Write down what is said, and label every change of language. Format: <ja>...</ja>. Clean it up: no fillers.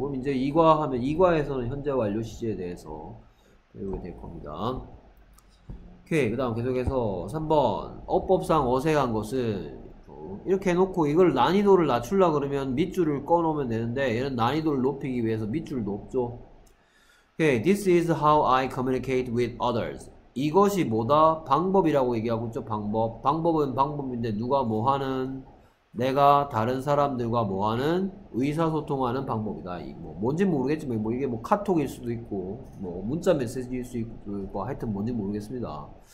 <ko>그럼 이제 2과 하면 2과에서는 현재 완료 시제에 대해서 배우게 될 겁니다. 오케이. 그다음 계속해서 3번. 어법상 어색한 것은 이렇게 해놓고 이걸 난이도를 낮추려 그러면 밑줄을 꺼놓으면 되는데 얘는 난이도를 높이기 위해서 밑줄을 높죠.</ko> <en>Okay, this is how I communicate with others.</en> <ko>이것이 뭐다? 방법이라고 얘기하고 있죠. 방법. 방법은 방법인데 누가 뭐 하는? 내가 다른 사람들과 뭐 하는? 의사소통하는 방법이다. 뭔진 모르겠지만 뭐 이게 뭐 카톡일 수도 있고 뭐 문자 메시지일 수도 있고 뭐 하여튼 뭔진 모르겠습니다.</ko>